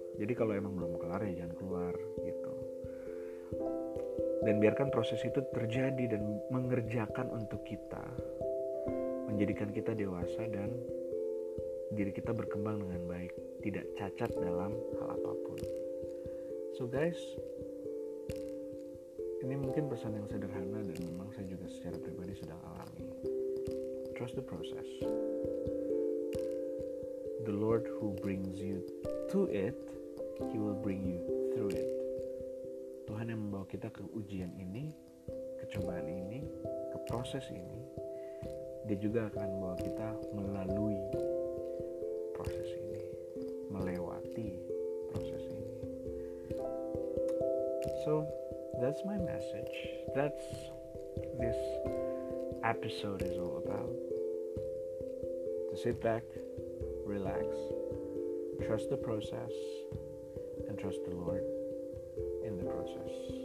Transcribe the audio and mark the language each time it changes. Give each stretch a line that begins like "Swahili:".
Indonesian: Jadi kalau emang belum kelar ya jangan keluar gitu. Dan biarkan proses itu terjadi dan mengerjakan untuk kita, menjadikan kita dewasa dan diri kita berkembang dengan baik, tidak cacat dalam hal apapun.
English: So guys,
Indonesian: ini mungkin pesan yang sederhana dan memang saya juga secara pribadi sedang alami.
English: Trust the process. The Lord who brings you to it, He will bring you through it.
Indonesian: Tuhan yang membawa kita ke ujian ini, ke cobaan ini, ke proses ini, Dia juga akan membawa kita melalui proses ini, melewati proses ini.
English: So, that's my message. That's this episode is all about. To sit back, relax, trust the process, and trust the Lord in the process.